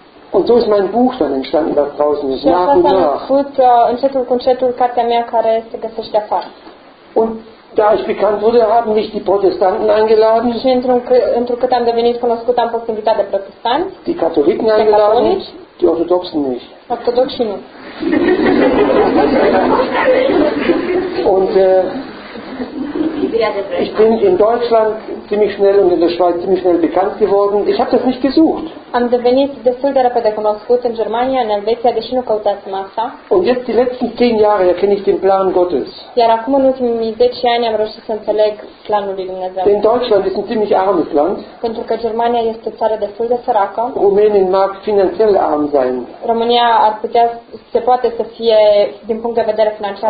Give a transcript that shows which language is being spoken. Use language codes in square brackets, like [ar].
[de] Und so ist mein Buch dann entstanden, das draußen ist, nach und nach. [ro] Încetul cu încetul, cartea mea care se găsește afară. [de] Und da ich bekannt wurde, haben mich die Protestanten eingeladen. [ro] Și întrucât am devenit cunoscut, am fost invitat de protestanți. [de] Die Katholiken eingeladen, die Orthodoxen nicht. [ro] Orthodoxii nu. [de] Und Ich bin in Deutschland ziemlich schnell und in der Schweiz ziemlich schnell bekannt geworden. Ich habe das nicht gesucht. [ro] Am devenit destul de repede cunoscut în Germania, în Elveția, deși nu căutasem asta. [de] Und jetzt die letzten 10 Jahre erkenne ich den Plan Gottes. [ro] Iar acum în ultimii 10 ani am reușit să înțeleg planul lui Dumnezeu. [de] Denn Deutschland ist ein ziemlich armes Land. [ro] Pentru că Germania este o țară destul de săracă. [de] Rumänien mag finanziell arm sein. [ro] România ar putea, se poate să fie din punct de vedere financiar